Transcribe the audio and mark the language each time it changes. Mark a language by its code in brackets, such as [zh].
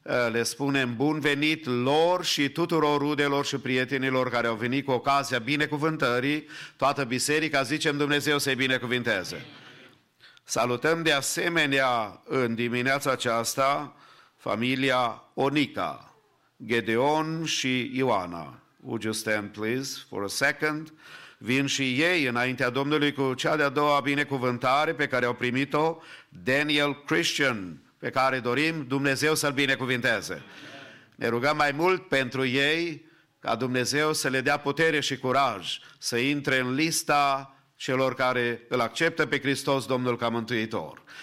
[ro] Le spunem bun venit lor și tuturor rudelor și prietenilor care au venit cu ocazia binecuvântării. Toată biserica, zicem Dumnezeu să-i binecuvinteze. Salutăm de asemenea în dimineața aceasta familia Onica, Gedeon și Ioana. [en] Would you stand please for a second? [ro] Vin și ei înaintea Domnului cu cea de-a doua binecuvântare pe care au primit-o, Daniel Christian, pe care dorim Dumnezeu să-l binecuvinteze. Ne rugăm mai mult pentru ei, ca Dumnezeu să le dea putere și curaj să intre în lista celor care îl acceptă pe Hristos, Domnul ca Mântuitor.